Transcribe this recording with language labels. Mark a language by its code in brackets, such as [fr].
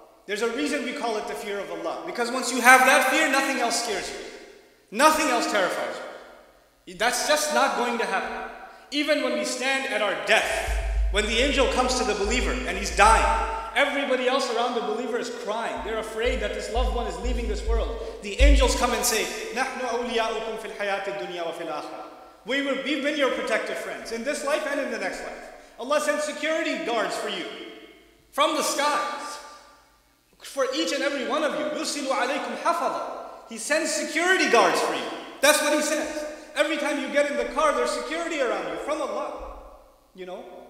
[en] There's a reason we call it the fear of Allah. Because once you have that fear, nothing else scares you. Nothing else terrifies you. That's just not going to happen. Even when we stand at our death, when the angel comes to the believer and he's dying, everybody else around the believer is crying. They're afraid that this loved one is leaving this world. The angels come and say, [ar] نَحْنُ أَوْلِيَاءُكُمْ فِي الْحَيَاةِ الدُّنْيَا وَفِي الْآخِرَةِ. [en] We've been your protective friends in this life and in the next life. Allah sent security guards for you from the skies. For each and every one of you, [ar] يُسِلُ عَلَيْكُمْ حَفَظًا. [en] He sends security guards for you. That's what He says. Every time you get in the car, there's security around you from Allah. You know?